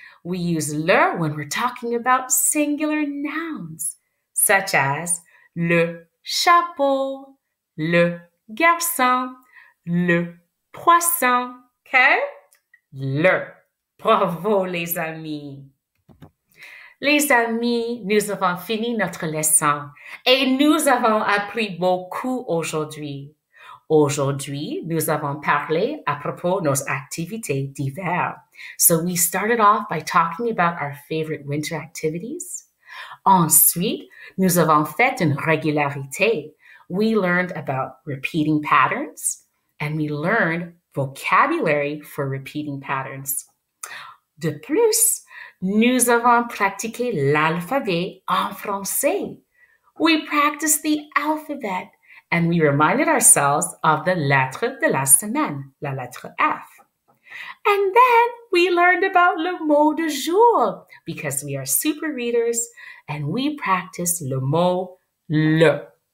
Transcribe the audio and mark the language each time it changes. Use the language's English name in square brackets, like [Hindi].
[English] We use le when we're talking about singular nouns, such as le chapeau, le garçon, le croissant. Okay? Le. [French] Bravo, les amis. Les amis, nous avons fini notre leçon et nous avons appris beaucoup aujourd'hui. Aujourd'hui, nous avons parlé à propos de nos activités d'hiver. [English] So we started off by talking about our favorite winter activities. [French] Ensuite, nous avons fait une régularité. [English] We learned about repeating patterns and we learned vocabulary for repeating patterns. [French] De plus, nous avons pratiqué l'alphabet en français. [English] We practiced the alphabet and we reminded ourselves of the lettre de la semaine, la lettre F. And then we learned about le mot du jour because we are super readers and we practiced le mot le.